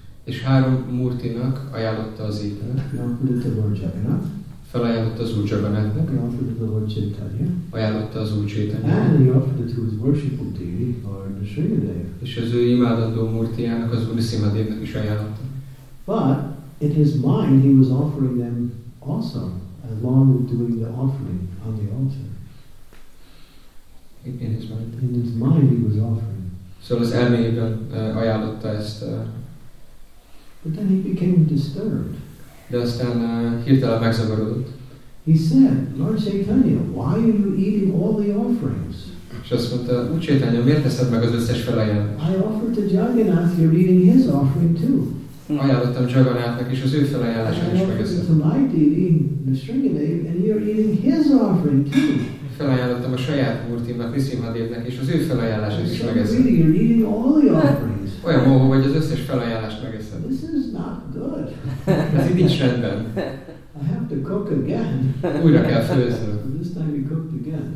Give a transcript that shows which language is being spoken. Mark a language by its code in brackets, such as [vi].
[hu] És 3 murtinak ajánlotta az ételt. [en] He offered it to Lord Jagannath. [hu] Felajánlotta az Úr Jagannathnak. [en] He offered it to Lord Chaitanya. [hu] Ajánlotta az Úr Chaitanyának. [en] And he offered it to his worshipful deity, Lord Srinidev. [hu] És az ő imádandó murtiának, az Úr Nisimhadevnak is ajánlotta. [en] But in his mind he was offering them also, along with doing the offering on the altar. In his mind. In his mind he was offering. [hu] Szóval az elméjében ajánlotta ezt. [en] But then he became disturbed. [hu] De aztán hirtelen megzavarodott. [en] He said, Lord Chaitanya, why are you eating all the offerings? [hu] És azt mondta, Úr Chaitanya, miért teszed meg az összes felajánlást? [en] I offered to Jagannath, you're eating his offering too. [hu] Ajánlottam Jagannathnak is az ő felajánlását is megeszed. [en] To my deity, the Srinidev, and you're eating his offering too. [hu] Felajánlottam a saját murtimnak, Nisimhadevnek, és az ő felajánlását is megeszed. [en] You're eating all the offerings. [hu] Olyan mohó vagy, az összes felajánlást megeszed. [en] This is not good. [hu] Ez így nincs rendben. [en] I have to cook again. [hu] Újra kell főznöm. [en] This time you cooked again.